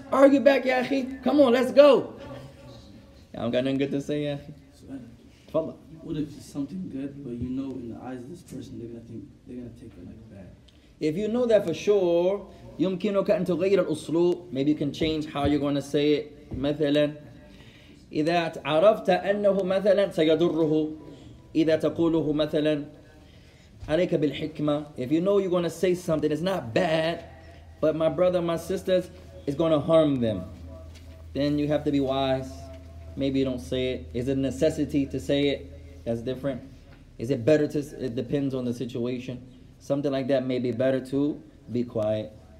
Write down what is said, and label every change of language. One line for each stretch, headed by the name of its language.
English: Argue back, yaakhi. Come on, let's go. I don't got nothing good to say, yaakhi. Kudak is something good, but you know in the eyes of this person, they're gonna take it like bad. If you know that for sure,
Arabic: يمكنك أن تغير الأسلوب.
English: Maybe you can change how you're gonna say it.
Arabic: مثلا إذا عرفت أنه مثلا سيضره إذا تقوله مثلا عليك بالحكمة.
English: If you know you're gonna say something, it's not bad, but my brother, my sisters, is gonna harm them. Then you have to be wise. Maybe you don't say it. Is it a necessity to say it? That's different. Is it better to? It depends on the situation. Something like that may be better to be quiet.